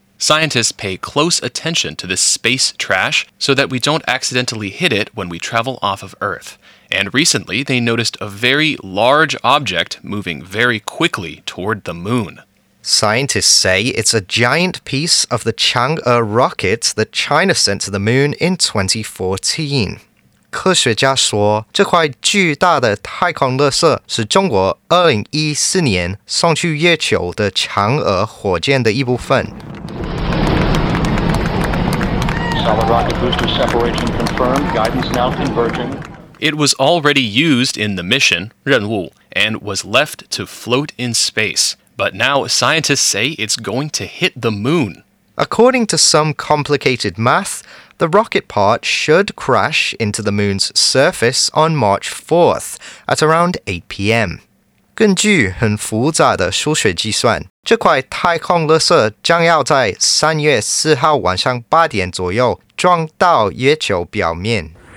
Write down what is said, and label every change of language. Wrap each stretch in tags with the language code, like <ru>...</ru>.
<en>Scientists pay close attention to this space trash so that we don't accidentally hit it when we travel off of Earth. And recently, they noticed a very large object moving very quickly toward the moon. Scientists say it's a giant piece of the Chang'e rocket that China sent to the moon in 2014.</en> <zh>科学家说这块巨大的太空垃圾是中国2014年送去月球的嫦娥火箭的一部分。</zh> <en>Solid rocket booster separation confirmed. Guidance now converging. It was already used in the mission, 任务, and was left to float in space. But now scientists say it's going to hit the moon. According to some complicated math, the rocket part should crash into the moon's surface on March 4th at around 8 p.m.</en> <zh>根据很复杂的数学计算，这块太空垃圾将要在3月4号晚上8点左右撞到月球表面。</zh>